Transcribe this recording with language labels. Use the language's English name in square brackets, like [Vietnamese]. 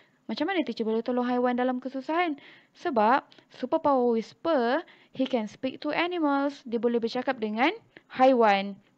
[Malay] Macam mana teacher boleh tolong haiwan dalam kesusahan? [English] Sebab superpower Whisper, he can speak to animals. [Malay] Dia boleh bercakap dengan haiwan.